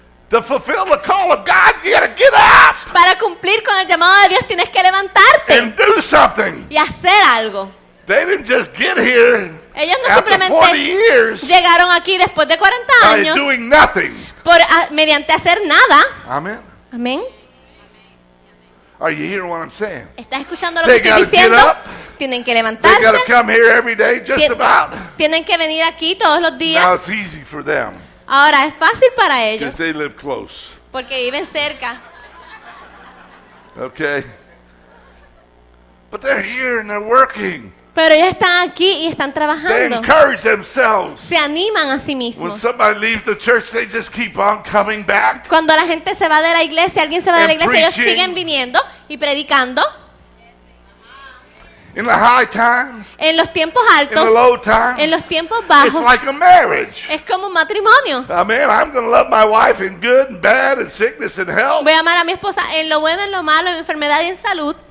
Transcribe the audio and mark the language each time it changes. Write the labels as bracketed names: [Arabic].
[English] To fulfill the call of God, you gotta get up. [Spanish] Para cumplir con el llamado de Dios, tienes que levantarte. [English] And do something. [Spanish] Y hacer algo. [English] They didn't just get here. [Spanish] Ellos no simplemente llegaron aquí después de 40 años. [English] By doing nothing. [Spanish] Mediante hacer nada. [English] Amen. [Spanish] Amen. [English] Are you hearing what I'm saying? [Spanish] ¿Estás escuchando lo que estoy diciendo? Tienen que levantarse. [English] They gotta come here every day, just about. [Spanish] Tienen que venir aquí todos los días. [English] Now it's easy for them. [Spanish] Ahora es fácil para ellos. [English] They live close. [Spanish] Porque viven cerca. [English] Okay. But they're here and they're working. [Spanish] Pero ellos están aquí y están trabajando. [English] They encourage themselves. [Spanish] Se animan a sí mismos. [English] When somebody leaves the church, they just keep on coming back. [Spanish] Cuando la gente se va de la iglesia, alguien se va de la iglesia, [English] preaching. [Spanish] Ellos siguen viniendo y predicando. [English] In the high time, [Spanish] en los tiempos altos, [English] in the low time, [Spanish] en los tiempos bajos, [English] it's like a marriage. [Spanish] Es como un matrimonio. [English] Amen. I'm going to love my wife in good and bad, in sickness and health. [Spanish] Voy a amar a mi esposa en lo bueno, en lo malo, en enfermedad y en salud.